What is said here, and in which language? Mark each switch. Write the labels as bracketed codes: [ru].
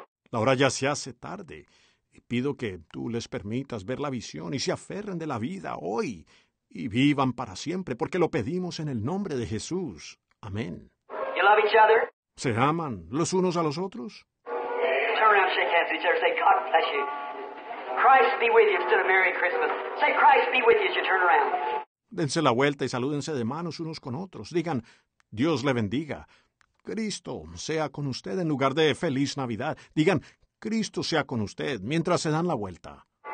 [es] La hora ya se hace tarde, y pido que tú les permitas ver la visión y se aferren de la vida hoy y vivan para siempre, porque lo pedimos en el nombre de Jesús. Amén. [en] You love each other? [es] ¿Se aman los unos a los otros? [en] Turn around, shake hands with each other, say, God bless you. Christ be with you instead of Merry Christmas. Say, Christ be with you as you turn around. [es] Dense la vuelta y salúdense de manos unos con otros. Digan, Dios le bendiga. Cristo sea con usted en lugar de Feliz Navidad. Digan, Cristo sea con usted mientras se dan la vuelta.